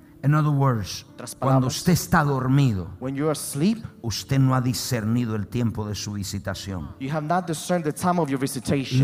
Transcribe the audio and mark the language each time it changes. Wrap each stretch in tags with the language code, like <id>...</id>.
<en>In other words,</en> <es>cuando usted está dormido,</es> <en>when you are asleep,</en> <es>usted no ha discernido el tiempo de su visitación.</es> <en>You have not discerned the time of your visitation.</en>